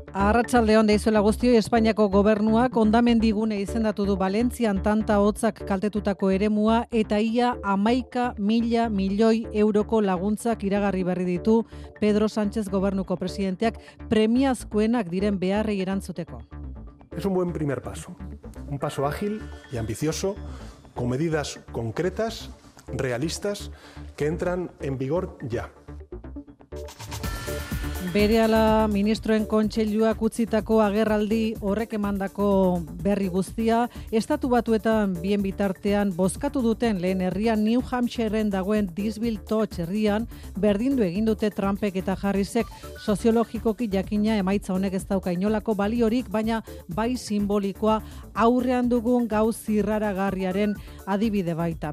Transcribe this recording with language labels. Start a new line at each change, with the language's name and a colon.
Basque: Arratsaldeon deizuela guztioi, Espainiako gobernuak hondamendigune izendatu du Valentzian tanta hotzak kaltetutako eremua eta ia 11 mila milioi euroko laguntzak iragarri berri ditu Pedro Sánchez gobernuko presidenteak premiazkoenak diren beharrei erantzuteko.
Spanish: Es un buen primer paso, un paso ágil y ambicioso con medidas concretas, realistas que entran en vigor ya.
Basque: Berehala ministroen kontseiluak utzitako agerraldi horrek emandako berri guztia, Estatu Batuetan bien bitartean bozkatu duten lehen herrian New Hampshireren dagoen Disville Touch herrian berdindu egin dute Trumpek eta Harrisek soziologikoki jakina emaitza honek ez dauka inolako baliorik, baina bai simbolikoa aurrean dugun gau zirraragarriaren adibide baita.